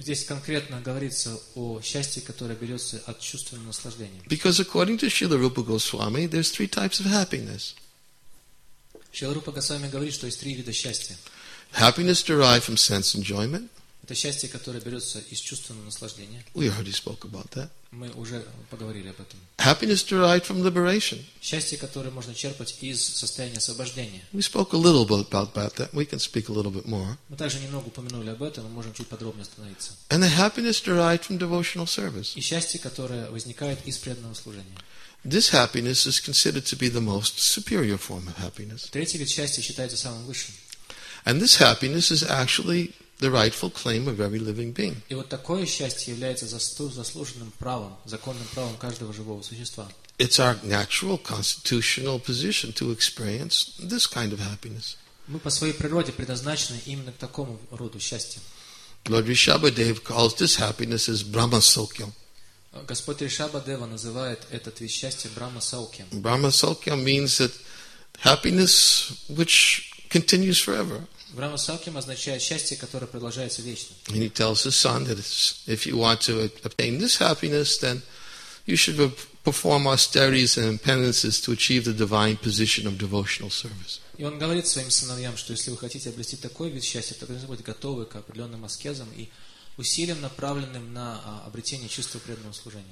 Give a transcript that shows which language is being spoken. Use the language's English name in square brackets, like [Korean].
[Russian] Здесь конкретно говорится о счастье, которое берется от чувственного наслаждения. [English] Because according to Srila Rupa Goswami, there's three types of happiness. [Russian] Шрила Рупа Госвами говорит, что есть три вида счастья. [English] Happiness derived from sense enjoyment. [Russian] Это счастье, которое берется из чувственного наслаждения. [English] We already spoke about that. [Russian] Мы уже поговорили об этом. [English] Happiness derived from liberation. [Russian] Счастье, которое можно черпать из состояния освобождения. [English] We spoke a little bit about that. We can speak a little bit more. [Russian] Мы также немного упомянули об этом, мы можем чуть подробнее остановиться. [English] And the happiness derived from devotional service. [Russian] И счастье, которое возникает из преданного служения. [English] This happiness is considered to be the most superior form of happiness. [Russian] Третий вид счастья считается самым высшим. [English] And this happiness is actually the rightful claim of every living being. [Russian] И вот такое счастье является заслуженным правом, законным правом каждого живого существа. [English] It's our natural constitutional position to experience this kind of happiness. [Russian] Мы по своей природе предназначены именно к такому роду счастья. [English] Lord Rishabhadev calls this happiness as Brahma Saukhyam. [Russian] Господь Ришабхадева называет этот вид счастья Брахма Саукьям. [English] Брахма Саукьям means that happiness which continues forever. [Russian] Брахма Саукьям означает счастье, которое продолжается вечно. [English] And he tells his son that if you want to obtain this happiness, then you should perform austerities and penances to achieve the divine position of devotional service. [Russian] И он говорит своим сыновьям, что если вы хотите обрести такой вид счастья, то должны быть готовы к определенным аскезам и усилием, направленным на обретение чувства преданного служения.